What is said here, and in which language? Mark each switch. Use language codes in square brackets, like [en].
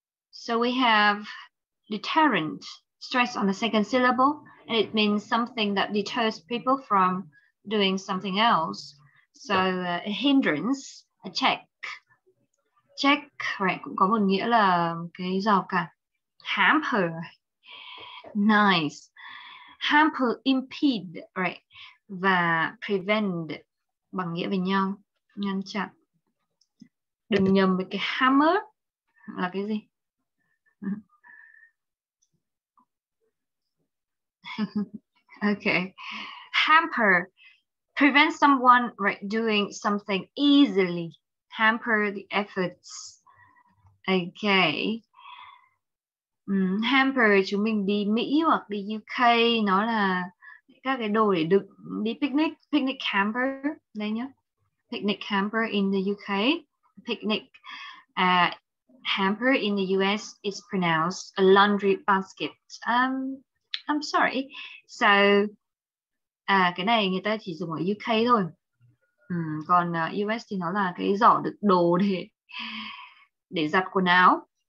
[en] So we have deterrent, stress on the second syllable, and it means something that deters people from doing something else. So a hindrance, a check. [vi] Check, right, cũng có một nghĩa là cái rào cản. Hamper, nice. Hamper, impede, right, và prevent bằng nghĩa về nhau, ngăn chặn. Đừng nhầm với cái hammer là cái gì. [en] Okay, hamper, prevent someone, right, doing something easily. Hamper the efforts. Okay. [vi] Hamper, chúng mình đi Mỹ hoặc đi UK, nó là các cái đồ để đựng đi picnic, picnic hamper đây nhá. [en] Picnic hamper in the UK. Picnic hamper in the US is pronounced a laundry basket. I'm sorry. [vi] So cái này người ta chỉ dùng ở UK thôi. Còn US thì nó là cái giỏ đựng đồ để giặt quần áo.